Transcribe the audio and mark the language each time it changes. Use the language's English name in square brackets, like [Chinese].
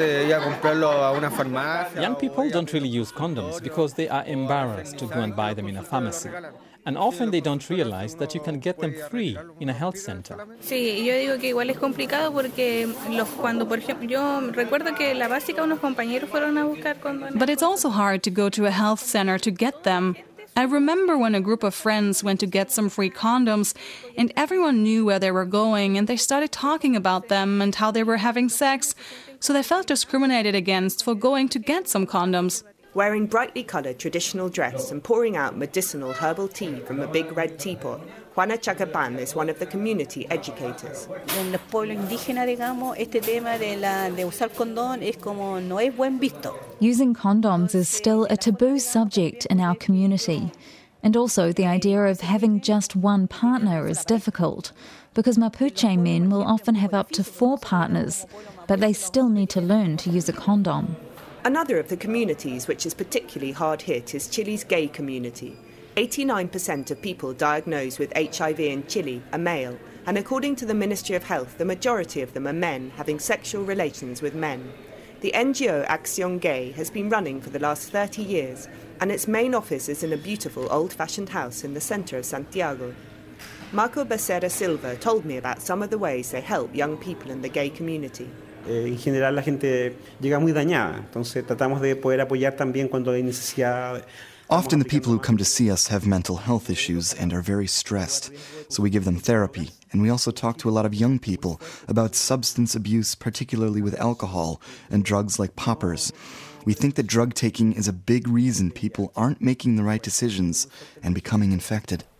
[English] Young people don't really use condoms because they are embarrassed to go and buy them in a pharmacy. And often they don't realize that you can get them free in a health center. [Spanish] Sí, yo digo que igual es complicado porque los cuando por ejemplo yo recuerdo que la básica unos compañeros fueron a buscar condones. [English] But it's also hard to go to a health center to get them. I remember when a group of friends went to get some free condoms and everyone knew where they were going and they started talking about them and how they were having sex, so they felt discriminated against for going to get some condoms. Wearing brightly colored traditional dress and pouring out medicinal herbal tea from a big red teapot, Juana Chacapan is one of the community educators. [Spanish] En los pueblos indígenas, digamos, este tema de la de usar condón es como no es buen visto. [English] Using condoms is still a taboo subject in our community. And also the idea of having just one partner is difficult, because Mapuche men will often have up to four partners, but they still need to learn to use a condom. Another of the communities which is particularly hard hit is Chile's gay community. 89% of people diagnosed with HIV in Chile are male, and according to the Ministry of Health, the majority of them are men having sexual relations with men. The NGO Acción Gay has been running for the last 30 years, and its main office is in a beautiful old-fashioned house in the centre of Santiago. Marco Becerra Silva told me about some of the ways they help young people in the gay community. [Spanish] En general, la gente llega muy dañada, entonces tratamos de poder apoyar también cuando hay necesidad. [English] Often the people who come to see us have mental health issues and are very stressed, so we give them therapy. And we also talk to a lot of young people about substance abuse, particularly with alcohol and drugs like poppers. We think that drug taking is a big reason people aren't making the right decisions and becoming infected.